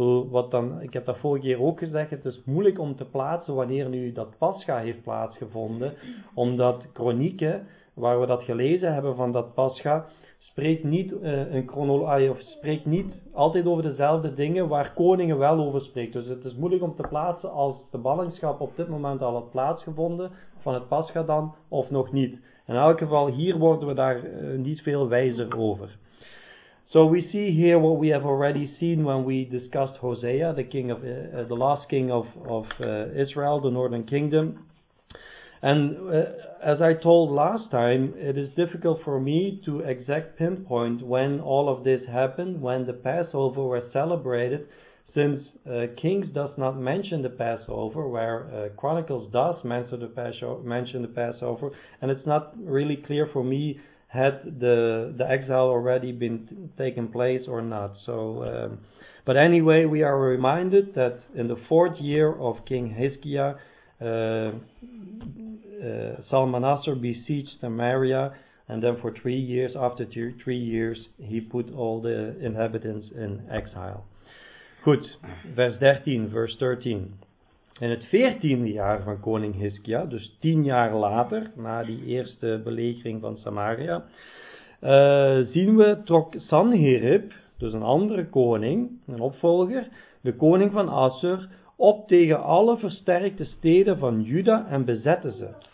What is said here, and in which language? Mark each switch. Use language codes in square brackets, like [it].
[nl] Wat dan, ik heb dat vorige keer ook gezegd, het is moeilijk om te plaatsen wanneer nu dat Pascha heeft plaatsgevonden, omdat Kronieken, waar we dat gelezen hebben van dat Pascha, spreekt niet altijd over dezelfde dingen waar koningen wel over spreken. Dus het is moeilijk om te plaatsen als de ballingschap op dit moment al had plaatsgevonden, van het Pascha dan, of nog niet. In elk geval, hier worden we daar niet veel wijzer over. [en] So we see here what we have already seen when we discussed Hosea, the last king of Israel, the northern kingdom. And as I told last time, it is difficult for me to exact pinpoint when all of this happened, when the Passover was celebrated, since Kings does not mention the Passover, where Chronicles does mention the Passover, and it's not really clear for me had the exile already been taken place or not. So, but anyway, we are reminded that in the fourth year of King Hiskia, Salmanasser besieged Samaria, and then for 3 years, after 3 years, he put all the inhabitants in exile. [nl] Goed, vers 13. In het 14e jaar van koning Hiskia, dus 10 jaar later, na die eerste belegering van Samaria, zien we trok Sanherib, dus een andere koning, een opvolger, de koning van Assur, op tegen alle versterkte steden van Juda en bezette ze.